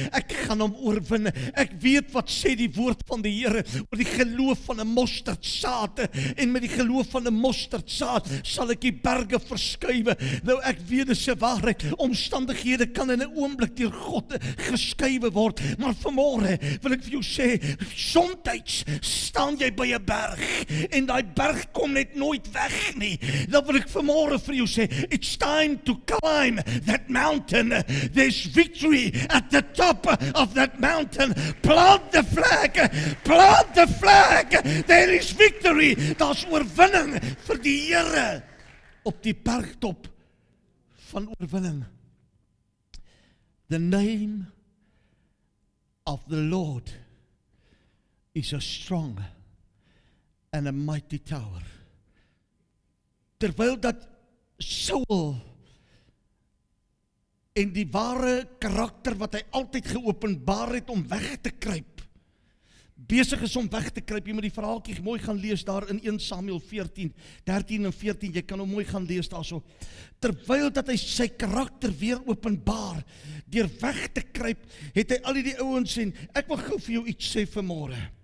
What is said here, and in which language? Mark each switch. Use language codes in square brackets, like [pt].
[af] Ek gaan hom oorwin. Ek weet wat sê die woord van die Here oor die geloof van 'n mosterdsaad, en met die geloof van 'n mosterdsaad sal ek die berge verskuif. Nou ek weet dis 'n waarheid, omstandighede kan in 'n oomblik deur God geskuif word, maar vanmôre wil ek vir jou sê, somtyds staan jy by 'n berg en daai berg kom net nooit weg nie. Dan wil ek vanmôre vir jou sê, [en] it's time to climb that mountain. There's victory at the top of that mountain. Plant the flag, plant the flag. There is victory. [af] Daar's oorwinning vir die Here op die bergtop van oorwinning. [en] The name of the Lord is a strong and a mighty tower. [af] Terwyl dat Saul en die ware karakter wat hy altyd geopenbaar het om weg te kruip, besig is om weg te kruip, jy moet die verhaaltjie mooi gaan lees daar in 1 Samuel 14, 13 en 14, jy kan hom mooi gaan lees daar so, terwyl dat hy sy karakter weer openbaar, deur weg te kruip, het hy al die ouens sê, ek wil gou vir jou iets sê vanmôre,